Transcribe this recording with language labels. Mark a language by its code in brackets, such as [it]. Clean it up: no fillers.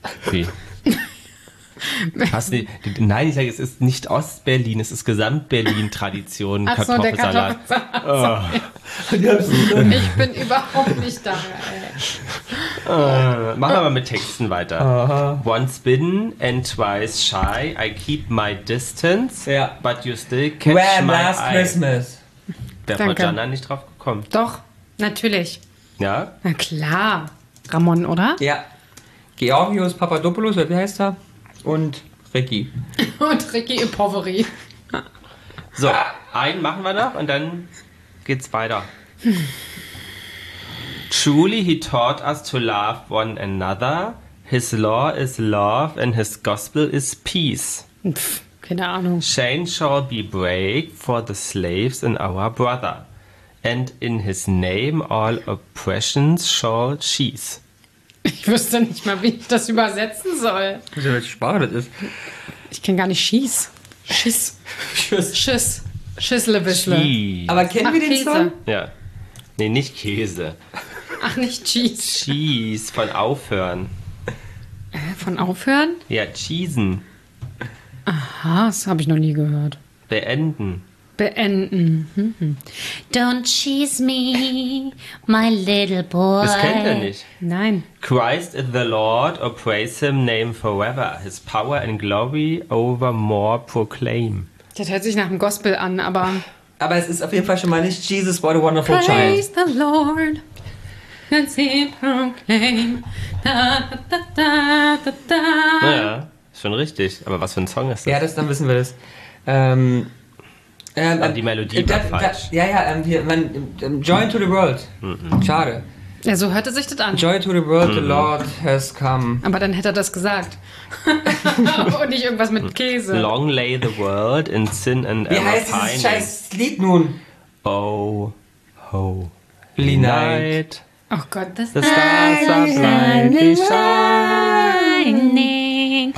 [de] Wie? Nein, ich sage, es ist nicht Ost-Berlin, es ist Gesamt-Berlin-Tradition, ach so, Kartoffelsalat. Oh. Ich bin überhaupt nicht da. Machen wir mal mit Texten weiter. Uh-huh. [en] Once bitten and twice shy, I keep my distance, [de] ja. [en] But you still catch when my last eye. Last Christmas. [de] Wäre Frau Janna nicht drauf gekommen. Doch, natürlich. Ja? Na klar. Ramon, oder? Ja. Georgios Papadopoulos, wie heißt er? Und Ricky. Und Ricky im Poveri. So, einen machen wir noch und dann geht's weiter. [en] Truly he taught us to love one another. His law is love and his gospel is peace. [de] Pff, keine Ahnung. [en] Chains shall be break for the slaves and our brother. And in his name all oppressions shall cease. [de] Ich wüsste nicht mal, wie ich das übersetzen soll. Ich weiß ja, welche Sprache das ist. Ich kenne gar nicht Schieß. Schiss. Schiss. Schiss. Schisslebischle. Aber kennen wir den Song? Ja. Nee, nicht Käse. Ach, nicht Cheese. Cheese von Aufhören. Von Aufhören? Ja, Cheesen. Aha, das habe ich noch nie gehört. Beenden. Beenden. [en] Don't cheese me, my little boy. [de] Das kennt er nicht. Nein. [en] Christ is the Lord, or praise him name forever. His power and glory over more proclaim. [de] Das hört sich nach dem Gospel an, aber... Aber es ist auf jeden Fall schon mal nicht Jesus, [en] what a wonderful praise child. Praise the Lord, let's him proclaim. Da, da, da, da, da. [de] Ja, schon richtig. Aber was für ein Song ist das? Ja, das, dann wissen wir das. Aber die Melodie war falsch. [en] Joy to the world. Mm-mm. [de] Schade. Ja, so hörte sich das an. [en] Joy to the world, mm-mm. The Lord has come. [de] Aber dann hätte er das gesagt. Und nicht irgendwas mit Käse. [en] Long lay the world in sin and [de] ever pining. Wie heißt dieses scheiß Lied nun? [en] Oh, holy night. [de] Oh Gott, das [en] the stars are blindly shining.